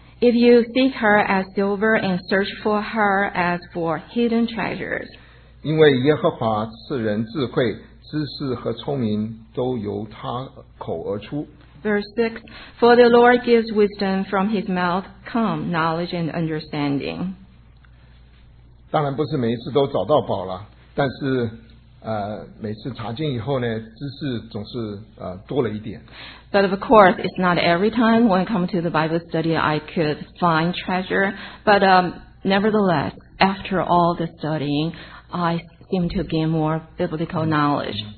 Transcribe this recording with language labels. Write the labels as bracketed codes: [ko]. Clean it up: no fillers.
[en] If you seek her as silver and search for her as for hidden treasures. [zh] 因为耶和华赐人智慧。知识和聪明都由他口而出。 [en] Verse 6, For the Lord gives wisdom from his mouth, come knowledge and understanding. [zh] 当然不是每一次都找到宝了，但是每次查经以后呢，知识总是多了一点。 [en] But of course, it's not every time when I come to the Bible study I could find treasure, but nevertheless, after all the studying, I seem to gain more biblical knowledge.